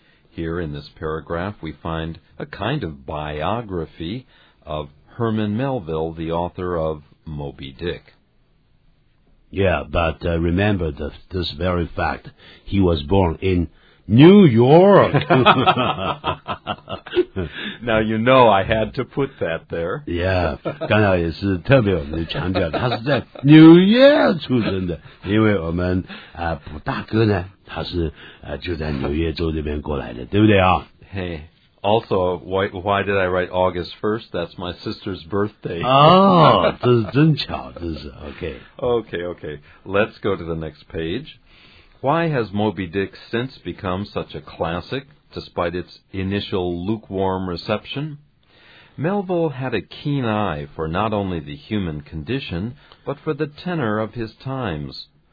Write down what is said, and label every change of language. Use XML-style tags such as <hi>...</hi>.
<en>Here in this paragraph, we find a kind of biography of Herman Melville, the author of Moby Dick. Yeah, but remember this very fact. He was born in New York. Now, you know, I had to put that there. Yeah,</en> <zh>刚才也是特别我们就强调他是在纽约出生的因为我们普大哥呢他是就在纽约州这边过来的对不对啊</zh> <en>Hey, also, why did I write August 1st? That's my sister's birthday.</en> <zh>哦这是真巧这是</zh> <en>okay. Okay, okay. Let's go to the next page. Why has Moby Dick since become such a classic? Despite its initial lukewarm reception, Melville had a keen eye for not only the human condition, but for the tenor of his times.</en>